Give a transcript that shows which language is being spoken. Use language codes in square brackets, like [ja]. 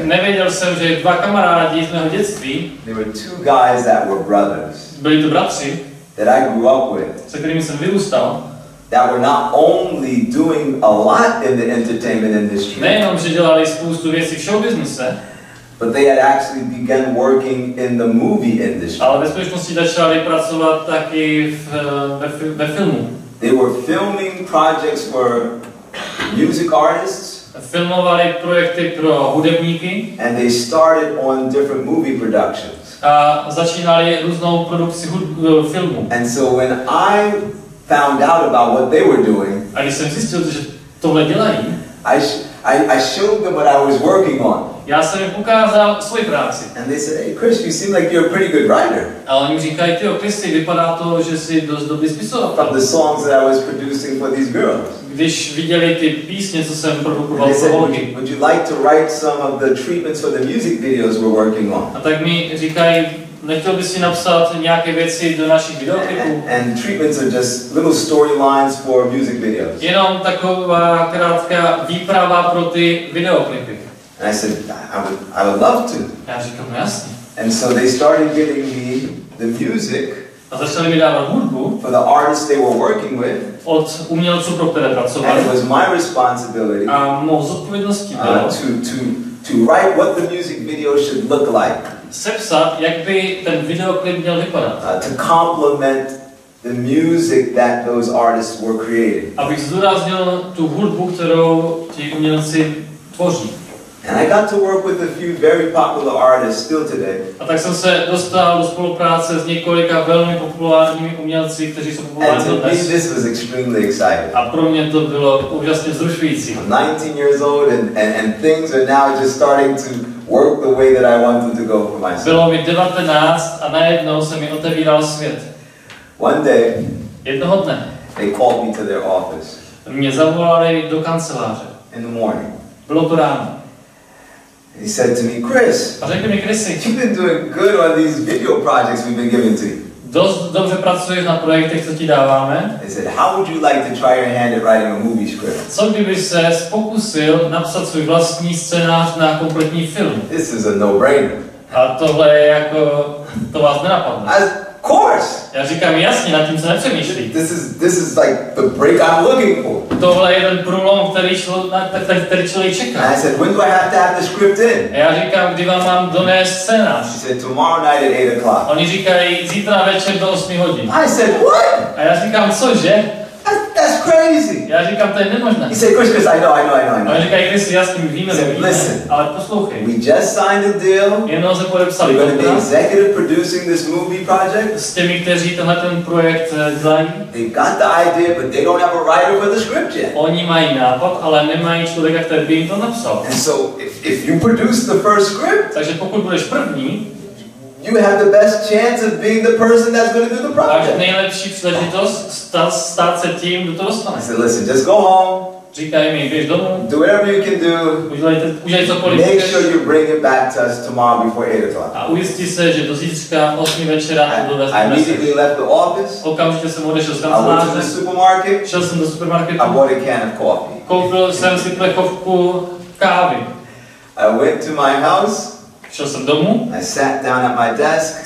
[cs] Nevěděl jsem, že dva kamarádi z mého dětství. [en] They were two guys that were brothers. [cs] Byli to bratři. [en] That I grew up with. [cs] Se kterými jsem vyrůstal. [en] That were not only doing a lot in the entertainment industry. [cs] Nejenom, že dělali spoustu věcí v show businessu. [en] But they had actually begun working in the movie industry. [cs] Ale ve skutečnosti začali pracovat taky ve filmu. [en] They were filming projects for music artists. [cs] Filmovali projekty pro hudebníky. [en] And they started on different movie productions. [cs] A začínali různou produkci filmu. [en] And so when I found out about what they were doing, [cs] a když jsem zjistil, že tohle dělají, [en] I showed them what I was working on. [cs] Já jsem jim ukázal svoji práci. [en] And they said, "Hey, Chris, you seem like you're a pretty good writer." [cs] A oni mi říkají, "Tyjo, Chris, vypadá to, že jsi dost dobrý spisovatel." [en] From the songs that I was producing for these girls. [cs] Když viděli ty písně, co jsem produkoval pro holky. [en] Would you like to write some of the treatments for the music videos we're working on? [cs] A tak mi říkají, nechtěl bys si napsat nějaké věci do našich videoklipů? [en] And treatments are just little storylines for music videos. [cs] Jenom taková krátká výprava pro ty videoklipy. [en] And I said, I would love to. [cs] Já říkám, jasně. [en] And so they started giving me the music. [cs] A začali mi dávat hudbu. [en] For the artists they were working with. [cs] Od umělců, pro které pracovali. [en] And it was my responsibility. [cs] A mou zodpovědností bylo. [en] To write what the music video should look like. [cs] Sepsat, jak by ten videoklip měl vypadat. [en] To complement the music that those artists were creating. [cs] Abych zdůraznil tu hudbu, kterou ti umělci tvoří. [en] And I got to work with a few very popular artists still today. [cs] A tak jsem se dostal do spolupráce s několika velmi populárními umělci, kteří jsou populární dnes. [en] And to me, this was extremely exciting. [cs] A pro mě to bylo úžasně vzrušující. [en] I'm 19 years old and things are now just starting to work the way that I wanted to go for myself. [cs] Bylo mi 19 a najednou se mi otevíral svět. [en] One day, [cs] jednoho dne, [en] they called me to their office. [cs] Mě zavolali do kanceláře. [en] In the morning. [cs] Bylo to ráno. [en] He said to me, Chris. [cs] A řekl mi, Chris, [en] you've been doing good on these video projects we've been giving to you. [cs] Dost dobře pracuješ na projektech, co ti dáváme. [en] He said, how would you like to try your hand at writing a movie script? [cs] Co kdybys se pokusil napsat svůj vlastní scénář na kompletní film? [en] This is a no-brainer. [cs] A tohle je jako, to vás nenapadne. [en] Of course. [cs] Já říkám, jasně, nad tím se nepřemýšlí. [en] This is like the break I'm looking for. [cs] Tohle je ten průlom, který člověk čeká. [en] I said, when do I have to have the script in? [cs] Já říkám, kdy vám mám donést scénář. [en] She said, tomorrow night at 8:00. [cs] Oni říkají, zítra večer do 8 hodin. [en] I said, what? [cs] A já říkám, cože? [en] That's crazy. [cs] Já říkám, to je nemožné. [en] He said, Chris, I know. [cs] Oni říkají, Chris, jasně, my víme, [en] said, listen, [cs] ale poslouchej. [en] We just signed a deal. [cs] Jenom se podepsali. [en] We're going to be executive producing this movie project. [cs] S těmi, kteří tenhle ten projekt dělají. [en] They've got the idea, but they don't have a writer for the script yet. [cs] Oni mají nápad, ale nemají člověka, který by jim to napsal. [en] And so, if you produce the first script, [cs] takže pokud budeš první, [en] you have the best chance of being the person that's going to do the project. [cs] Takže nejlepší příležitost stát se tím, kdo to dostane. [en] I said, listen, just go home. [cs] Říkaj mi, běž domů. [en] Do whatever you can do. [cs] Udělej cokoliv. [en] Make sure you bring it back to us tomorrow before 8:00. [cs] A ujistí se, že do zítřka 8 večera budu dostat [en] message. I immediately left the office. [cs] Okamžitě jsem odešel z kanceláře. [en] I went to the supermarket. [cs] Šel jsem do supermarketu. [en] I bought a can of coffee. [cs] Koupil jsem si plechovku kávy. [en] I went to my house. [cs] Šel jsem domů. [en] I sat down at my desk.